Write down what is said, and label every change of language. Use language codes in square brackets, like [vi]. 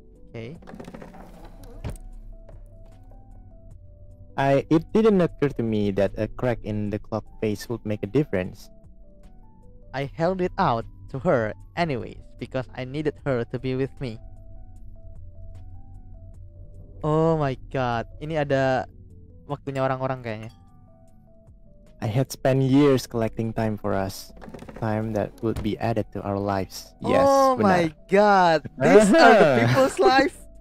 [en] Okay. It didn't occur to me that a crack in the clock face would make a difference. I held it out to her anyways, because I needed her to be with me. [id] Oh my god, ini ada waktunya orang-orang kayaknya. [en] I had spent years collecting time for us. Time that would be added to our lives. Yes, oh my god, these are the people's life.